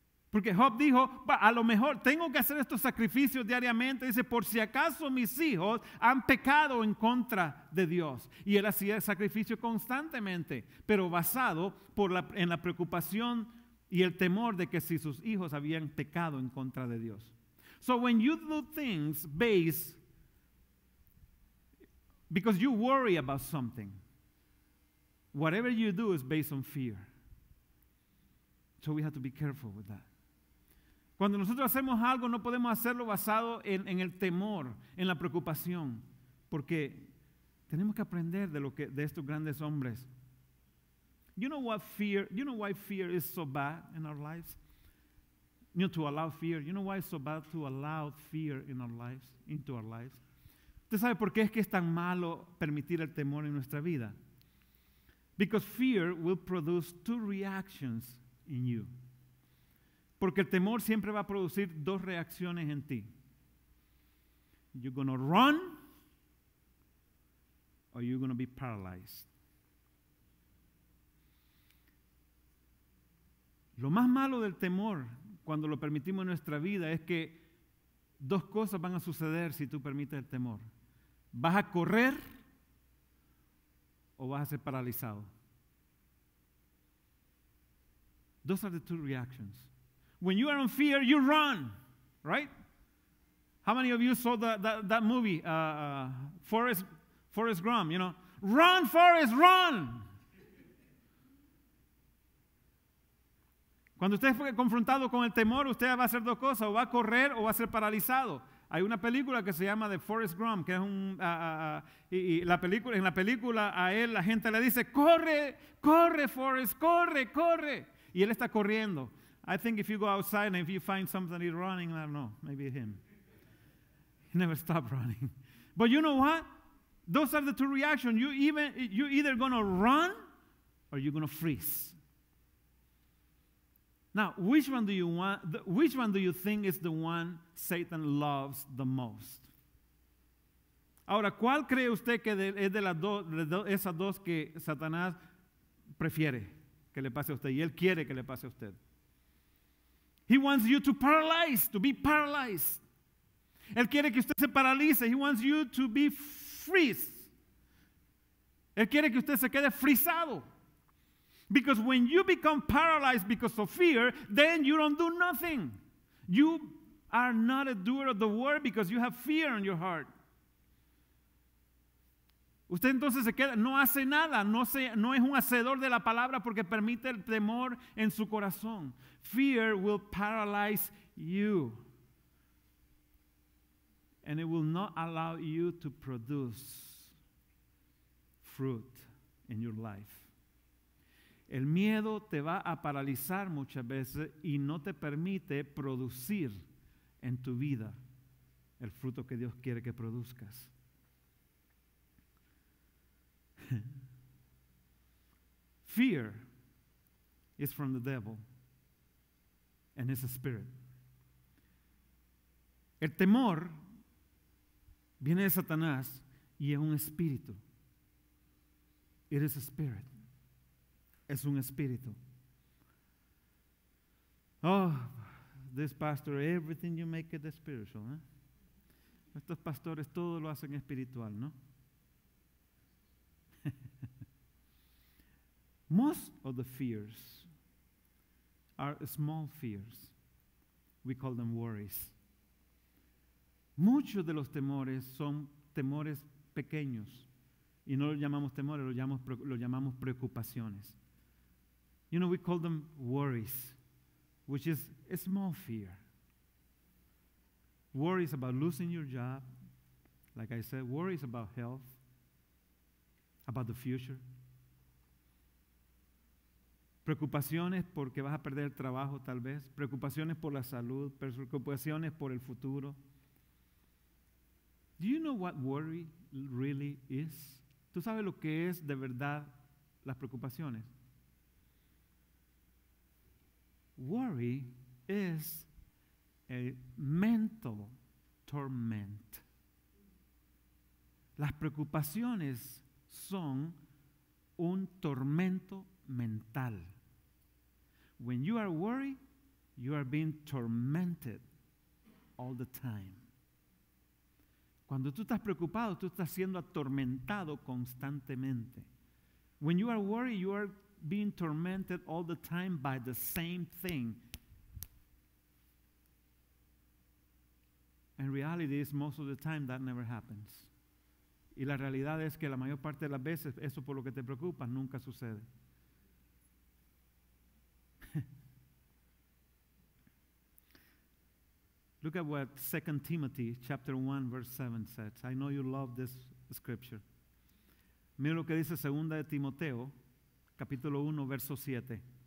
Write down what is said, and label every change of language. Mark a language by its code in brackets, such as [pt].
[es] Porque Job dijo, a lo mejor tengo que hacer estos sacrificios diariamente. Dice, por si acaso mis hijos han pecado en contra de Dios. Y él hacía el sacrificio constantemente, pero basado en la preocupación y el temor de que si sus hijos habían pecado en contra de Dios. [en] So when you do things based, because you worry about something, whatever you do is based on fear. So we have to be careful with that. [es] Cuando nosotros hacemos algo, no podemos hacerlo basado en el temor, en la preocupación, porque tenemos que aprender de estos grandes hombres. [en] You know what fear, you know why fear is so bad in our lives? You know, to allow fear, you know why it's so bad to allow fear in our lives, into our lives? [es] ¿Usted sabe por qué es que es tan malo permitir el temor en nuestra vida? [en] Because fear will produce two reactions in you. [es] Porque el temor siempre va a producir dos reacciones en ti. [en] You're going to run or you're going to be paralyzed. [es] Lo más malo del temor cuando lo permitimos en nuestra vida es que dos cosas van a suceder si tú permites el temor. ¿Vas a correr o vas a ser paralizado? [en] Those are the two reactions. When you are in fear, you run, right? How many of you saw that movie, Forrest Gump, you know? Run, Forrest, run! [es] Cuando usted fue confrontado con el temor, usted va a hacer dos cosas, o va a correr o va a ser paralizado. Hay una película que se llama The Forrest Gump, que es un en la película a él la gente le dice, "Corre, corre Forrest, corre, corre." Y él está corriendo. [en] I think if you go outside and if you find somebody running, I don't know, maybe him. He never stopped running. But you know what? Those are the two reactions. You're either going to run or you're going to freeze. Now, which one do you want? Which one do you think is the one Satan loves the most? [es] Ahora, ¿cuál cree usted que es de las dos, esas dos que Satanás prefiere que le pase a usted? Y él quiere que le pase a usted. [en] He wants you to paralyze, to be paralyzed. [es] Él quiere que usted se paralice. [en] He wants you to be freeze. [es] Él quiere que usted se quede frisado. [en] Because when you become paralyzed because of fear, then you don't do nothing. You are not a doer of the word because you have fear in your heart. [es] Usted entonces se queda, no hace nada, no es un hacedor de la palabra porque permite el temor en su corazón. [en] Fear will paralyze you. And it will not allow you to produce fruit in your life. [es] El miedo te va a paralizar muchas veces y no te permite producir en tu vida el fruto que Dios quiere que produzcas. [en] Fear is from the devil and his spirit. [es] El temor viene de Satanás y es un espíritu. [en] It is a spirit. [es] Es un espíritu. [en] Oh, this pastor, everything you make it is spiritual. [es] Eh? Estos pastores todo lo hacen espiritual, ¿no? [en] Most of the fears are small fears. We call them worries. [es] Muchos de los temores son temores pequeños. Y no los llamamos temores, los llamamos preocupaciones. [en] You know, we call them worries, which is a small fear. Worries about losing your job. Like I said, worries about health, about the future. [es] Preocupaciones porque vas a perder el trabajo, tal vez. Preocupaciones por la salud. Preocupaciones por el futuro. [en] Do you know what worry really is? [es] ¿Tú sabes lo que es de verdad las preocupaciones? [en] Worry is a mental torment. [es] Las preocupaciones son un tormento mental. [en] When you are worried, you are being tormented all the time. [es] Cuando tú estás preocupado, tú estás siendo atormentado constantemente. [en] When you are worried, you are being tormented all the time by the same thing. And reality is most of the time that never happens. [es] Y la realidad es que la mayor parte de las veces eso por lo que te preocupas nunca sucede. [en] Look at what 2 Timothy chapter 1 verse 7 says. I know you love this scripture. [es] Mira lo que dice 2 de Timoteo capítulo 1 verso 7.